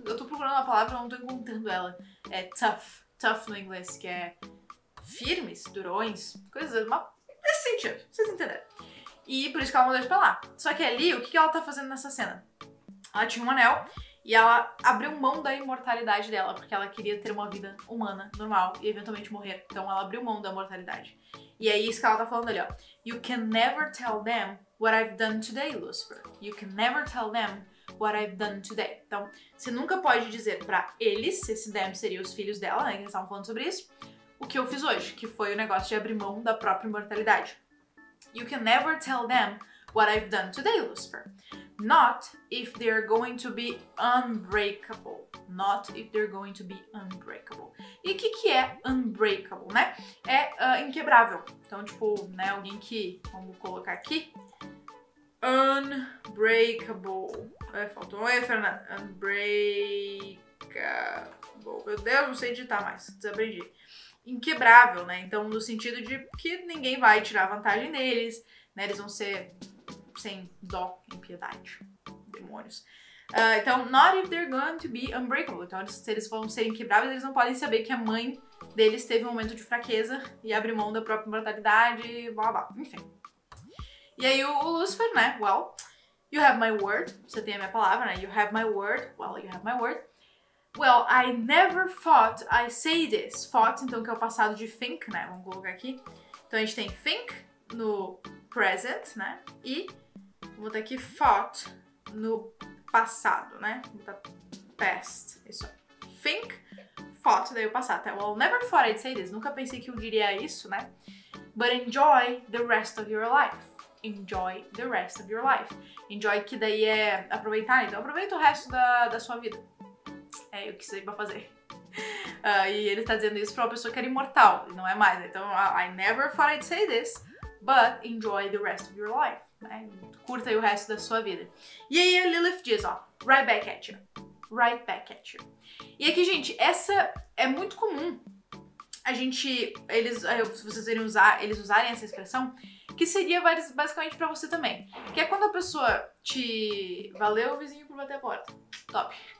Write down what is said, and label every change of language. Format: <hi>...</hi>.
<pt>Eu tô procurando uma palavra, não tô encontrando ela. É tough no inglês, que é firmes, durões, coisas assim, nesse sentido, vocês entenderam. E por isso que ela mandou eles pra lá. Só que ali, o que ela tá fazendo nessa cena? Ela tinha um anel e ela abriu mão da imortalidade dela, porque ela queria ter uma vida humana, normal, e eventualmente morrer. Então ela abriu mão da imortalidade. E é isso que ela tá falando ali, ó.</pt> <en>You can never tell them what I've done today, Lucifer. You can never tell them what I've done today.</en> <pt>Então, você nunca pode dizer pra eles, esse them seria os filhos dela, né, que eles estavam falando sobre isso, o que eu fiz hoje, que foi o negócio de abrir mão da própria imortalidade.</pt> <en>You can never tell them what I've done today, Lucifer. Not if they're going to be unbreakable. Not if they're going to be unbreakable.</en> <pt>E o que, que é unbreakable, né? É inquebrável. Então, tipo, né, alguém que, vamos colocar aqui, unbreakable. Ai, faltou um E, Fernanda. Unbreakable. Meu Deus, não sei editar mais. Desaprendi. Inquebrável, né? Então, no sentido de que ninguém vai tirar vantagem deles, né? Eles vão ser sem dó e piedade. Demônios. Então,</pt> <en>not if they're going to be unbreakable.</en> <pt>Então, se eles vão ser inquebráveis, eles não podem saber que a mãe deles teve um momento de fraqueza e abre mão da própria mortalidade, blá blá. Enfim. E aí o Lucifer, né,</pt> <en>well, you have my word,</en> <pt>você tem a minha palavra, né,</pt> <en>you have my word, well, you have my word. Well, I never thought I'd say this, thought,</en> <pt>então, que é o passado de think, né, vamos colocar aqui. Então a gente tem think no present, né, e vou botar aqui thought no passado, né, vou botar past, isso, think, thought, daí o passado, tá?</pt> <en>Well, never thought I'd say this,</en> <pt>nunca pensei que eu diria isso, né,</pt> <en>but enjoy the rest of your life. Enjoy the rest of your life.</en> <pt>Enjoy, que daí é aproveitar, então aproveita o resto da sua vida. É o que você vai fazer. E ele tá dizendo isso pra uma pessoa que era imortal, e não é mais, né?</pt> <en>Então, I never thought I'd say this, but enjoy the rest of your life. Né?</en> <pt>Curta aí o resto da sua vida. E aí a Lilith diz, ó,</pt> <en>right back at you. Right back at you.</en> <pt>E aqui, gente, essa é muito comum a gente, eles usarem essa expressão, que seria basicamente pra você também. Que é quando a pessoa te... Valeu, vizinho, por bater a porta. Top.</pt>